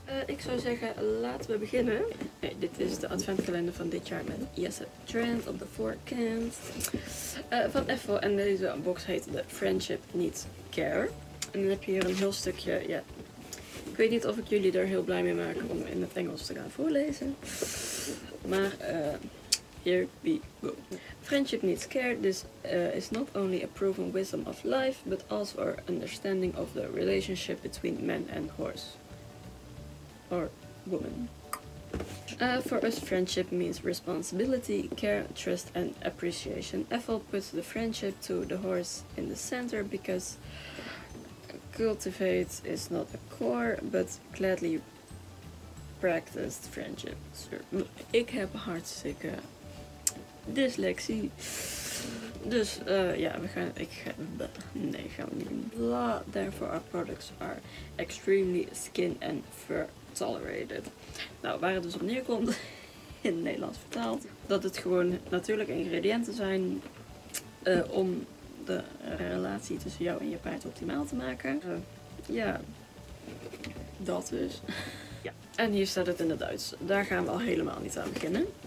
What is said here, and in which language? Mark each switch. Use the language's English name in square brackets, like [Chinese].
[Dutch] Ik zou zeggen, laten we beginnen. Hey, dit is de adventkalender van dit jaar met Jesse Trent op de voorkant. Van Effo. En deze box heet de Friendship Needs Care. En dan heb je hier een heel stukje. Ja. Ik weet niet of ik jullie er heel blij mee maak om in het Engels te gaan voorlezen. [English] Maar here we go. Friendship needs care. This is not only a proven wisdom of life, but also our understanding of the relationship between man and horse. Or woman. For us, friendship means responsibility, care, trust and appreciation. Ethel puts the friendship to the horse in the center because cultivate is not a core, but gladly practiced friendship. [Dutch] Ik heb hartstikke dyslexie. Dus gaan we niet. Blah. [English] Therefore, our products are extremely skin and fur tolerated. [Dutch] Nou, waar het dus op neerkomt, in het Nederlands vertaald, dat het gewoon natuurlijke ingrediënten zijn om de relatie tussen jou en je paard optimaal te maken. Dat dus. Ja. En hier staat het in het Duits. Daar gaan we al helemaal niet aan beginnen.